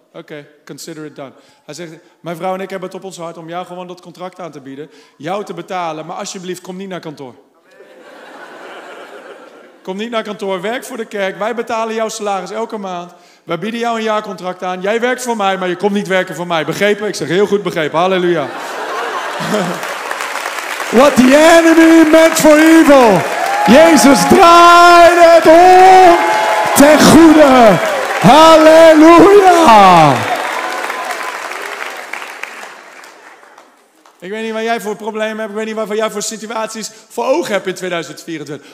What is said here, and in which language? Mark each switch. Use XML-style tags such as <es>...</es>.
<en>Oké, consider it done.</en> <nl>Hij zegt, mijn vrouw en ik hebben het op ons hart om jou gewoon dat contract aan te bieden. Jou te betalen, maar alsjeblieft, kom niet naar kantoor. Kom niet naar kantoor, werk voor de kerk. Wij betalen jouw salaris elke maand. Wij bieden jou een jaarcontract aan. Jij werkt voor mij, maar je komt niet werken voor mij. Begrepen? Ik zeg, heel goed begrepen. Halleluja.</nl> <en>What the enemy meant for evil.</en> <nl>Jezus draait het om ten goede. Halleluja! Ik weet niet waar jij voor problemen hebt. Ik weet niet waarvan jij voor situaties voor ogen hebt in 2024.</nl>